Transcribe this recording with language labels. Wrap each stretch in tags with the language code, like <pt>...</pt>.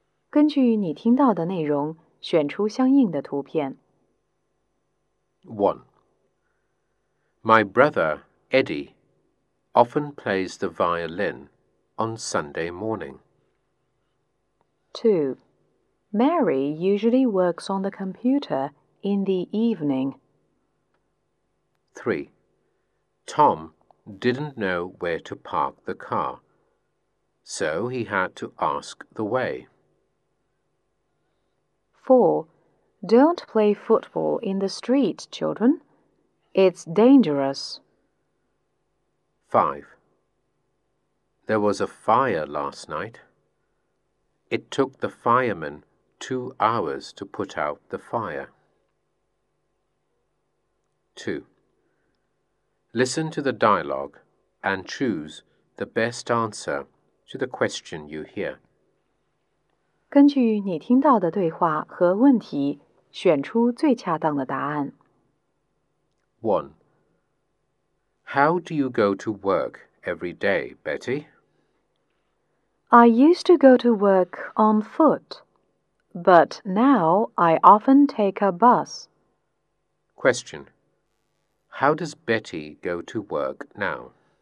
<zh>根据你听到的内容，选出相应的图片。</zh> <en>1. My brother, Eddie, often plays the violin on Sunday morning. 2. Mary usually works on the computer in the evening. 3. Tom didn't know where to park the car, so he had to ask the way. 4. Don't play football in the street, children. It's dangerous. 5. There was a fire last night. It took the firemen 2 hours to put out the fire. 2. Listen to the dialogue and choose the best answer to the question you hear.</en> <zh>根据你听到的对话和问题，选出最恰当的答案。</zh> <en>1. How do you go to work every day, Betty? I used to go to work on foot, but now I often take a bus. Question. How does Betty go to work now?</en>